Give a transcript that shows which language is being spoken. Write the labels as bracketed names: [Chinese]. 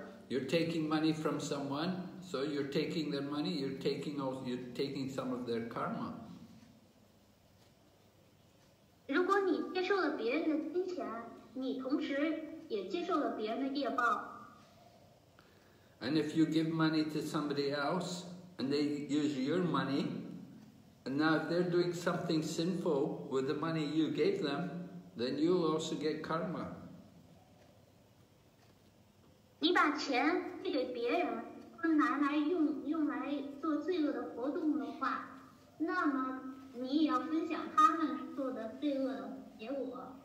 [English] You're taking money from someone, so you're taking their money, you're taking some of their karma. [Chinese] 如果你接受了别人的金钱，你同时也接受了别人的业报。 [English] And if you give money to somebody else, and they use your money,And now if they're doing something sinful with the money you gave them, then you'll also get karma. [Chinese] 你把钱借给别人，用来做罪恶的活动的话，那么你也要分享他们做的罪恶的结果。